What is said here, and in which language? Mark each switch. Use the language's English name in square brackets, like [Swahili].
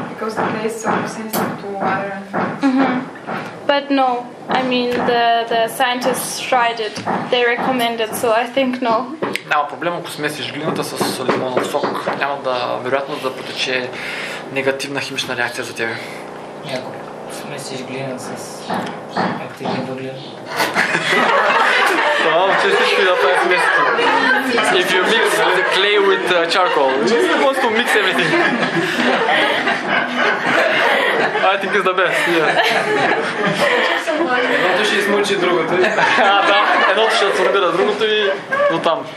[English] If you mix the clay with lemon juice, do you not make any reaction? Because the clay is so sensitive to water. Mm-hmm. But no, I mean the scientists tried it, they recommended, so I think no. [Bulgarian] Няма проблем, ако смесиш глината с лимонов сок, няма да, вероятно да потече негативна химична реакция за тебе. Ако смесиш глина с активни въглеви. Това всичко да прави смесито. [English] If you mix the clay with charcoal. Just wants to mix everything. I think it's the best, yeah. [Bulgarian] Едното ще измучи другото. А, да. Едното ще отсорбира другото и до там.